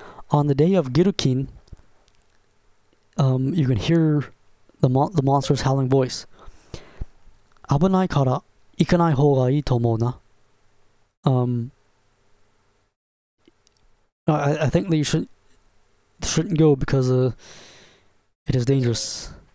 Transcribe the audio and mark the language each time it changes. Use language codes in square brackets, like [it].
[en] On the day of Girukin, you can hear the monster's howling voice. [ja] 危ないから行かない方がいいと思うな。 [en] I think that you shouldn't go because it is dangerous.